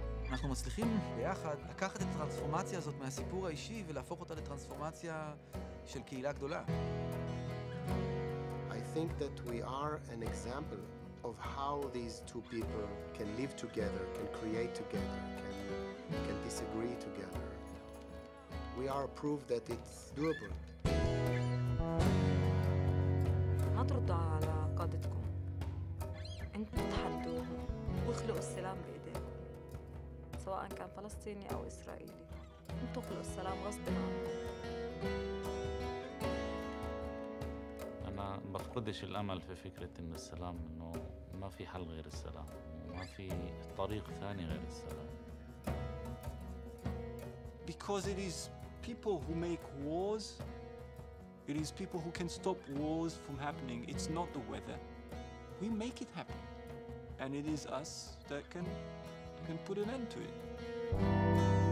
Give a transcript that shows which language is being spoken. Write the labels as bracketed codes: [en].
[he] אנחנו מצליחים ביחד לקחת את הטרנספורמציה הזאת מהסיפור האישי ולהפוך אותה לטרנספורמציה של קהילה גדולה. [en] I think that we are an example of how these two people can live together, can create together, can disagree together. We are proof that it's doable. [ar] ما ترضى على قادتكم. انتم تحدوا واخلقوا السلام بايديكم. سواء كان فلسطيني أو إسرائيلي انتو خلوا السلام غصب عنه. أنا بفقدش الأمل في فكرة إن السلام إنه ما في حل غير السلام وما في طريق ثاني غير السلام. [en] Because it is people who make wars, it is people who can stop wars from happening. It's not the weather. We make it happen. And it is us that can put an end to it.